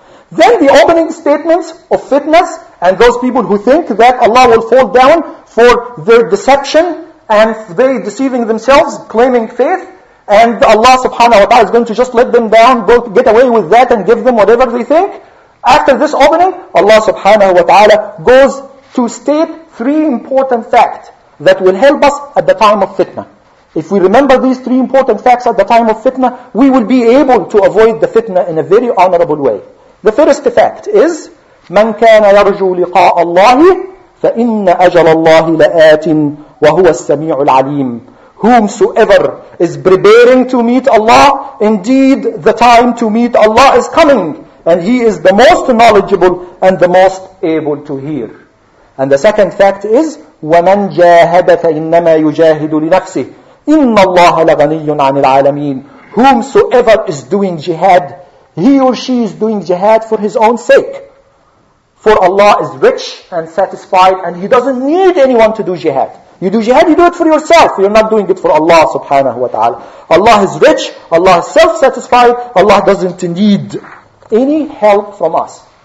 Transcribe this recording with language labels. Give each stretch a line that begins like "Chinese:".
English: Then the opening statements of fitness and those people who think that Allah will fall down for their deception and they deceiving themselves, claiming faith, and Allah subhanahu wa ta'ala is going to just let them down, go get away with that and give them whatever they think. After this opening, Allah subhanahu wa ta'ala goes to state three important facts that will help us at the time of fitna. If we remember these three important facts at the time of fitna, we will be able to avoid the fitna in a very honorable way. The first fact is,
Arabic: مَنْ كَانَ يَرْجُو لِقَاءَ اللَّهِ فَإِنَّ أَجَلَ اللَّهِ لَآتٍ وَهُوَ السَّمِيعُ الْعَلِيمُ.
English: Whomsoever is preparing to meet Allah, indeed the time to meet Allah is coming, and He is the most knowledgeable and the most able to hear. And the second fact is,
Arabic: وَمَنْ جَاهَدَ فَإِنَّمَا يُجَاهِدُ لِنَفْسِهِ إِنَّ اللَّهَ لَغَنِيٌّ عَنِ الْعَالَمِينَ.
English: Whomsoever is doing jihad, he or she is doing jihad for his own sake. For Allah is rich and satisfied and He doesn't need anyone to do jihad. You do jihad, you do it for yourself. You're not doing it for Allah subhanahu wa ta'ala. Allah is rich, Allah is self-satisfied, Allah doesn't need any help from us.